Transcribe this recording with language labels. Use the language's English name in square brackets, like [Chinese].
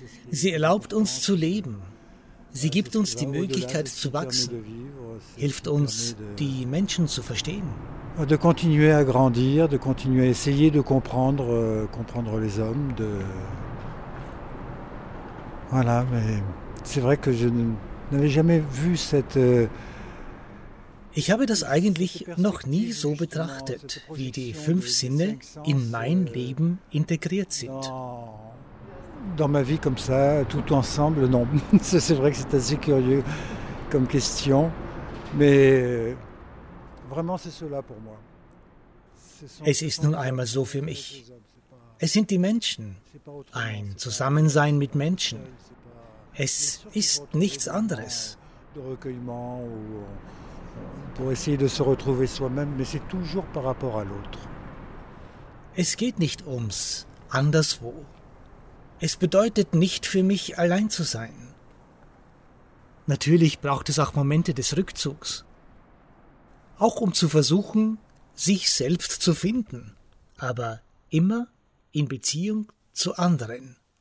[German] Sie erlaubt uns zu leben. Sie gibt uns die Möglichkeit zu wachsen, hilft uns, die Menschen zu verstehen. [French] De continuer à grandir, de continuer à essayer de comprendre les hommes. Voilà, mais c'est vrai que je n'avais jamais vu cette. [German] Ich habe das eigentlich noch nie so betrachtet, wie die fünf Sinne in mein Leben integriert sind. [French] Dans ma vie comme ça, tout ensemble, non. C'est vrai que c'est assez curieux comme question, mais vraiment c'est cela pour moi. [German] Es ist nun einmal so für mich. Es sind die Menschen, ein Zusammensein mit Menschen. Es ist nichts anderes. [French] De recueillement ou pour essayer de se retrouver soi-même, mais c'est toujours par rapport à l'autre. [German] Es geht nicht ums anderswo. Es bedeutet nicht für mich, allein zu sein. Natürlich braucht es auch Momente des Rückzugs. Auch um zu versuchen, sich selbst zu finden, aber immer in Beziehung zu anderen.